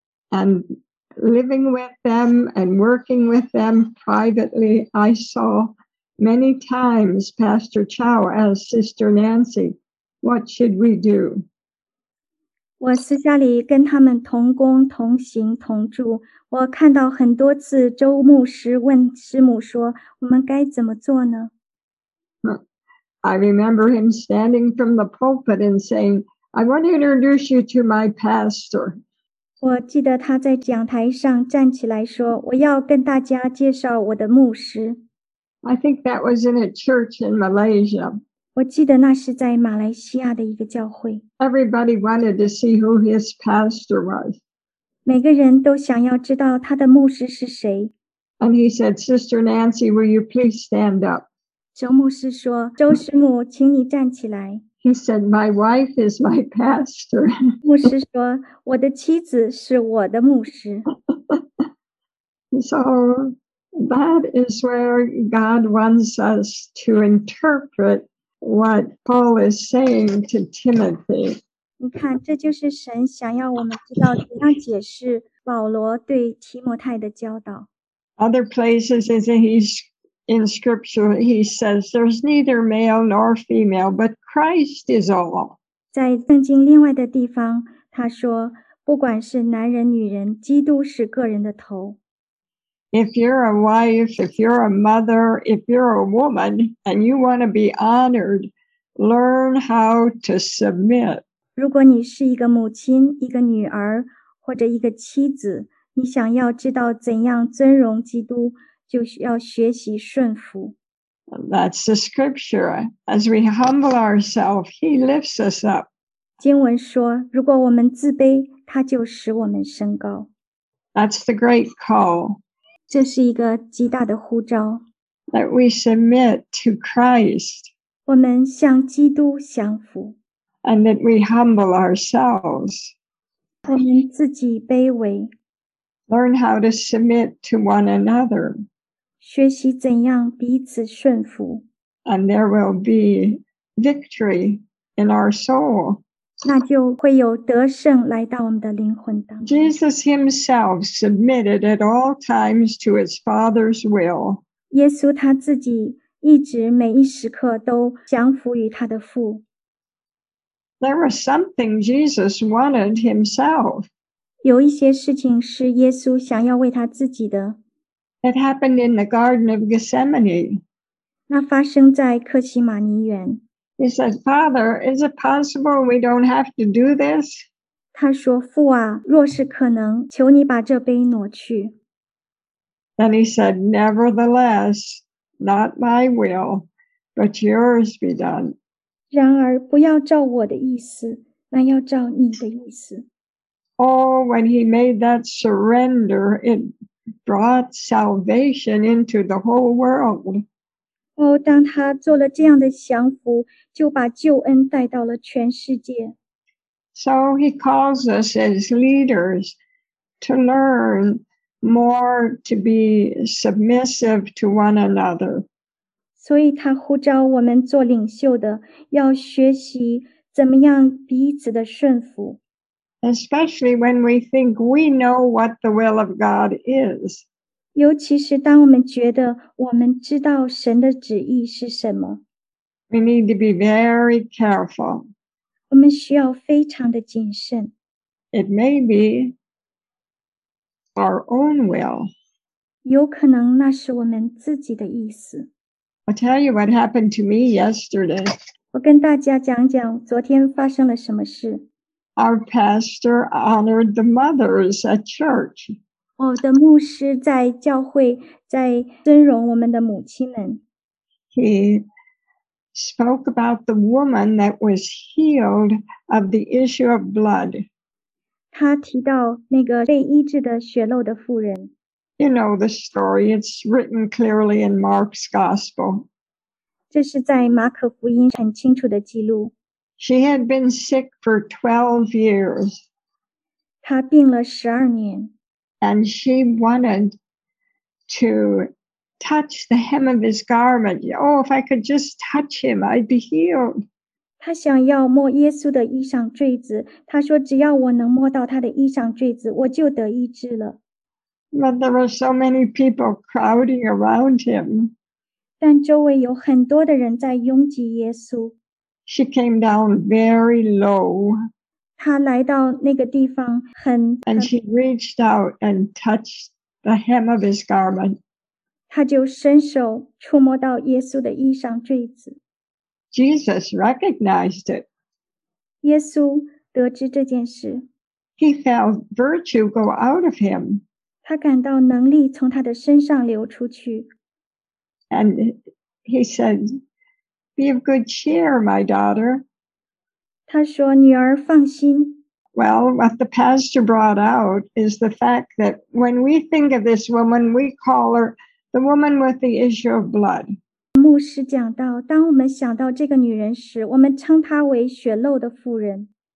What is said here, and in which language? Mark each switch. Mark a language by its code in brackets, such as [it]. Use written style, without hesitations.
[en] And living with them and working with them privately, I saw many times Pastor Chow as Sister Nancy. What should we do? [zh] 我私下里跟他们同工同行同住，我看到很多次周牧师问师母说，我们该怎么做呢？ [en] I remember him standing from the pulpit and saying, I want to introduce you to my pastor. [zh] 我记得他在讲台上站起来说，我要跟大家介绍我的牧师。 [en] I think that was in a church in Malaysia. [zh] 我记得那是在马来西亚的一个教会。 [en] Everybody wanted to see who his pastor was. [zh] 每个人都想要知道他的牧师是谁。 [en] And he said, Sister Nancy, will you please stand up? [zh] 周牧师说，周师母，请你站起来。 [en] He said, my wife is my pastor. [zh] 牧师说，我的妻子是我的牧师。 [en] So that is where God wants us to interpret what Paul is saying to Timothy. [zh] 你看，这就是神想要我们知道怎样解释保罗对提摩太的教导。 [en] Other places is in scripture, he says, there's neither male nor female, but Christ is all. [zh] 在圣经另外的地方，他说，不管是男人女人，基督是个人的头。 [en] If you're a wife, if you're a mother, if you're a woman, and you want to be honored, learn how to submit. [zh] 如果你是一个母亲，一个女儿，或者一个妻子，你想要知道怎样尊荣基督，就要学习顺服。 [en] That's the scripture. As we humble ourselves, he lifts us up. [zh] 经文说，如果我们自卑，他就使我们升高。 [en] That's the great call. [zh] 这是一个极大的呼召。 [en] That we submit to Christ. [zh] 我们向基督降服。 [en] And that we humble ourselves. [zh] 我们自己卑微。 [en] Learn how to submit to one another. [zh] 学习怎样彼此顺服。 [en] And there will be victory in our soul. [zh] 那就会有得胜来到我们的灵魂当中。 [en] Jesus himself submitted at all times to his Father's will. [zh] 耶稣他自己一直每一时刻都降服于他的父。 [en] There was something Jesus wanted himself. [zh] 有一些事情是耶稣想要为他自己的。 [en] It happened in the Garden of Gethsemane. [zh] 那发生在克西马尼园。 [en] He said, Father, is it possible we don't have to do this? [zh] 他说，父啊，若是可能，求你把这杯挪去。 [en] Then he said, Nevertheless, not my will, but yours be done. [zh] 然而，不要照我的意思，那要照你的意思。 [en] Oh, when he made that surrender, it brought salvation into the whole world. [zh] Oh, 当他做了这样的降服，就把救恩带到了全世界。 [en] So he calls us as leaders to learn more to be submissive to one another. [zh] 所以他呼召我们做领袖的，要学习怎么样彼此的顺服。 [en] Especially when we think we know what the will of God is. [zh] 尤其是当我们觉得我们知道神的旨意是什么。 [en] We need to be very careful. [zh] 我们需要非常的谨慎。 [en] It may be our own will. [zh] 有可能那是我们自己的意思。 [en] I'll tell you what happened to me yesterday. [zh] 我跟大家讲讲昨天发生了什么事。 [en] Our pastor honored the mothers at church. [zh] 我的牧师在教会在尊荣我们的母亲们。 [en] He spoke about the woman that was healed of the issue of blood. [zh] 他提到那个被医治的血漏的妇人。 [en] You know the story, it's written clearly in Mark's gospel. [zh] 这是在马可福音很清楚的记录。 [en] She had been sick for 12 years. [zh] 她病了12年。 [en] And she wanted to touch the hem of his garment. Oh, if I could just touch him, I'd be healed. [zh] 她想要摸耶稣的衣裳坠子。她说只要我能摸到他的衣裳坠子，我就得医治了。 [en] But there were so many people crowding around him. [zh] 但周围有很多的人在拥挤耶稣。 [en] She came down very low. [zh] 她来到那个地方很 [en] And she reached out and touched the hem of his garment. [zh] 她就伸手触摸到耶稣的衣裳坠子。 [en] Jesus recognized it. [zh] 耶稣得知这件事。 [en] He felt virtue go out of him. [zh] 她感到能力从她的身上流出去。 [en] And he said,Be of good cheer, my daughter. [zh] 她说女儿放心。 [en] Well, what the pastor brought out is the fact that when we think of this woman, we call her the woman with the issue of blood. [zh] 牧师讲到当我们想到这个女人时我们称她为血漏的妇人。